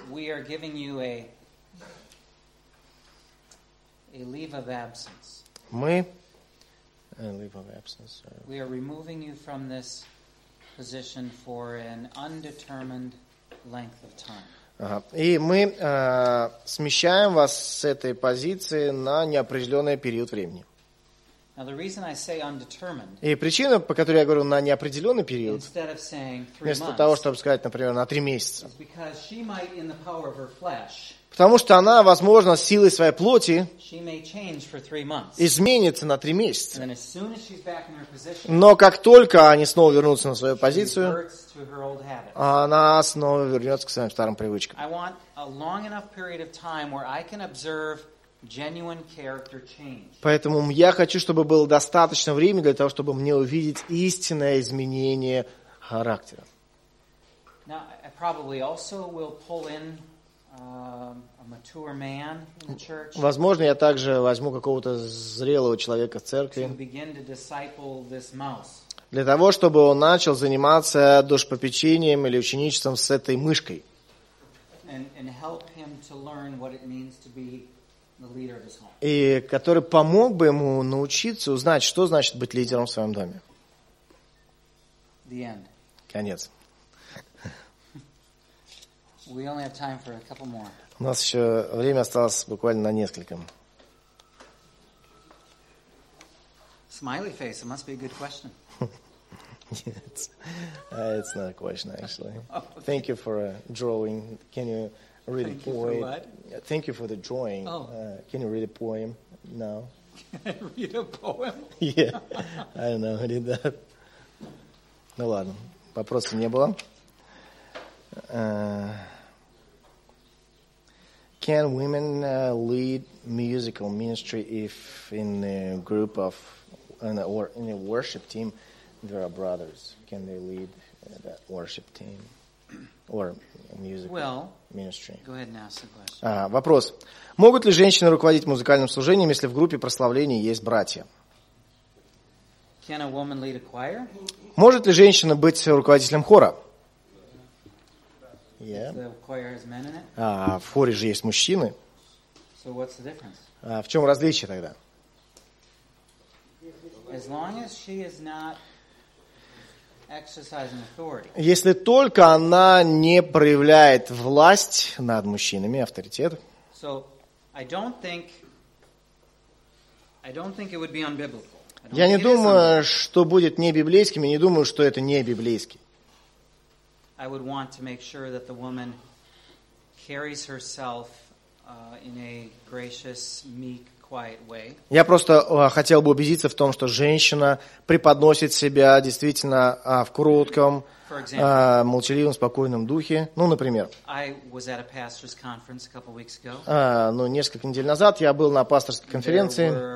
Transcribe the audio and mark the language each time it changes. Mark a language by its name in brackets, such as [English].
[English] We are giving you a leave of absence. [Russian] Мы [English] leave of absence. We are removing you from this position for an undetermined length of time. [Russian] Ага. И мы смещаем вас с этой позиции на неопределенный период времени. [English] Now, the reason I say undetermined, [Russian] и причина, по которой я говорю на неопределенный период, [English] instead of saying three [Russian] вместо [English] months, [Russian] того, чтобы сказать, например, на три месяца, [English] is because she might, in the power of her flesh, [Russian] потому что она, возможно, силой своей плоти [English] she may change for three months, [Russian] изменится на три месяца. [English] And then, as soon as she's back in her position, [Russian] но как только они снова вернутся на свою позицию, она снова вернется к своим старым привычкам. [English] I want a long enough period of time where I can observe genuine character change. [Russian] Поэтому я хочу, чтобы было достаточно времени для того, чтобы мне увидеть истинное изменение характера. [English] Now, I probably also will pull in a mature man in the church. [Russian] Возможно, я также возьму какого-то зрелого человека в церкви. [English] To begin to disciple this mouse. [Russian] Для того, чтобы он начал заниматься душепопечением или ученичеством с этой мышкой. [English] And help him to learn what it means to be the leader of his home. [Russian] И который помог бы ему научиться узнать, что значит быть лидером в своем доме. [English] The end. [Russian] Конец. [English] We only have time for a couple more. [Russian] У нас еще время осталось буквально на несколько. [English] Smiley face, it must be a good question. It's not a question, actually. Oh, okay. Thank you for drawing. Can you read Thank a poem? You for what? Thank you for the drawing. Oh. Can you read a poem now? Can I read a poem? Yeah, I don't know who did that. [Russian] Ну ладно, вопросов не было. [English] Can women lead musical ministry if in a group of, or in a worship team, there are brothers? Can they lead that worship team or musical well, ministry? Go ahead and ask the question. [Russian] Вопрос. Могут ли женщины руководить музыкальным служением, если в группе прославления есть братья? [English] Can a woman lead a choir? [Russian] Может ли женщина быть руководителем хора? [English] Yeah. If the choir has men in it? [Russian] В хоре же есть мужчины. [English] So what's the difference? [Russian] В чем различие тогда? [English] As long as she is not exercising authority. [Russian] Если только она не проявляет власть над мужчинами, авторитет. [English] So, I don't think it would be unbiblical. [Russian] Я не думаю, что будет не библейским, и не думаю, что это не библейски. [English] I would want to make sure that the woman carries herself in a gracious, meek. [Russian] Я просто хотел бы убедиться в том, что женщина преподносит себя действительно в кротком, молчаливом, спокойном духе. Ну, например. Несколько недель назад я был на пасторской конференции.